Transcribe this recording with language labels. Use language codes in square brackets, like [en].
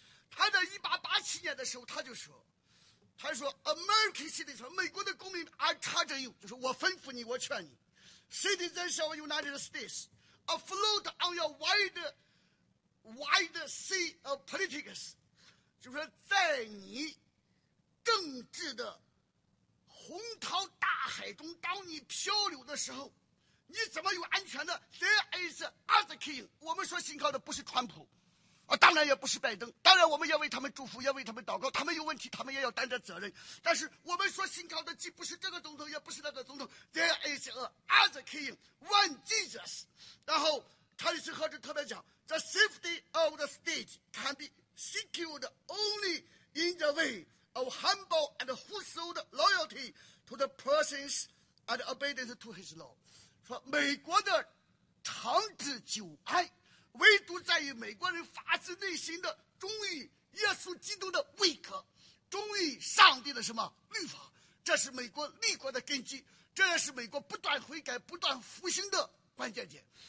[zh] 他在1887年的时候，他说 ， [en] American citizen， [zh] 美国的公民 ， [en] I charge you， [zh] 就是我吩咐你，我劝你 ， [en] citizens of United States， afloat on your wide sea of politics， [zh] 就是在你政治的洪涛大海中，当你漂流的时候，你怎么有安全呢 ？ [en] There is other king。 [zh] 我们所信靠的不是川普，啊，当然也不是拜登。当然，我们要为他们祝福，要为他们祷告。他们有问题，他们也要担着责任。但是，我们所信靠的既不是这个总统，也不是那个总统。 [en] There is another king, one Jesus。 [zh] 然后，查理斯·赫治特别讲 [en] ：“The safety of the state can be secured only in the way of humble and wholesome loyalty to the persons and obedience to his law。” [zh] 说美国的长治久安，唯独在于美国人发自内心的忠于耶稣基督的位格，忠于上帝的什么律法，这是美国立国的根基，这也是美国不断悔改、不断复兴的关键点。